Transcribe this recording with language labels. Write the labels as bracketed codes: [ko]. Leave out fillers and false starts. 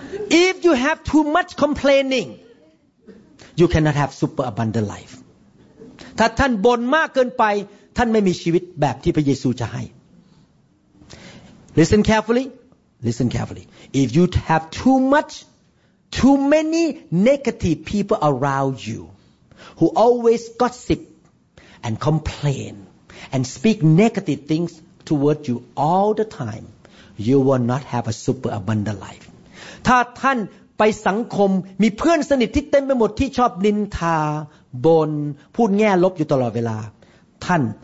[en] If you have too much complaining, you cannot have super abundant life. [th] ถ้าท่านบ่นมากเกินไปท่านไม่มีชีวิตแบบที่พระเยซูจะให้ [en] Listen carefully. If you have too many negative people around you who always gossip and complain and speak negative things towards you all the time, you will not have a super abundant life. [th] ถ้าท่านไปสังคมมีเพื่อนสนิทที่เต็มไปหมดที่ชอบนินทาบ่นพูดแง่ลบอยู่ตลอดเวลาท่าน